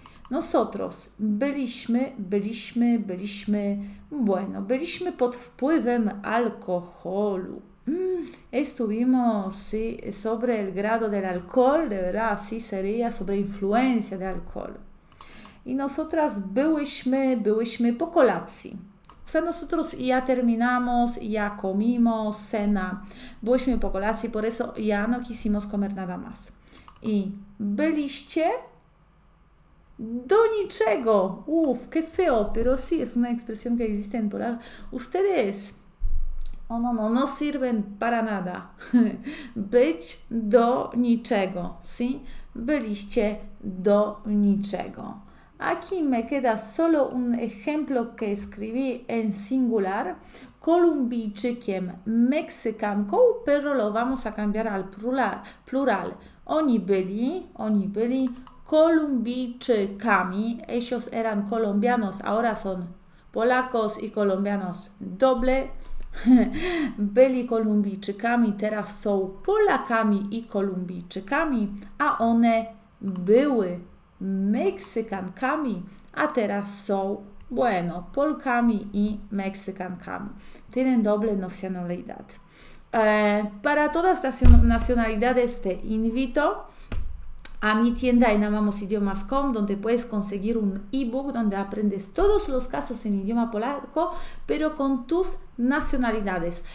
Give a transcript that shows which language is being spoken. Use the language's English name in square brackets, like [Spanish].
[Polish] Nosotros byliśmy pod wpływem alkoholu. [Spanish] Estuvimos, sí, sobre el grado del alcohol, de verdad, así sería, sobre influencia de alcohol. [Polish] Y nosotras byłyśmy po kolacji. [Spanish] O sea, nosotros ya terminamos, ya comimos cena, [Polish] byłyśmy po kolacji, [Spanish] por eso ya no quisimos comer nada más. [Polish] Y byliście do niczego. [Spanish] Uf, qué feo, pero sí, es una expresión que existe en polaco. Ustedes. Oh, no sirven para nada. [Polish] Być do niczego, ¿sí? Byliście do niczego. [Spanish] Aquí me queda solo un ejemplo que escribí en singular, colombichiquem, mexicanco, pero lo vamos a cambiar al plural. [Polish] Oni byli colombichicami. [Spanish] Ellos eran colombianos, ahora son polacos y colombianos doble. [Polish] Byli Kolumbijczykami, teraz są Polakami i Kolumbijczykami, a one były Meksykankami, a teraz są, bueno, Polkami i Meksykankami. [Spanish] Tienen doble nacionalidad. Para todas las nacionalidades te invito a mi tienda en amamosidiomas.com, donde puedes conseguir un ebook donde aprendes todos los casos en idioma polaco, pero con tus nacionalidades.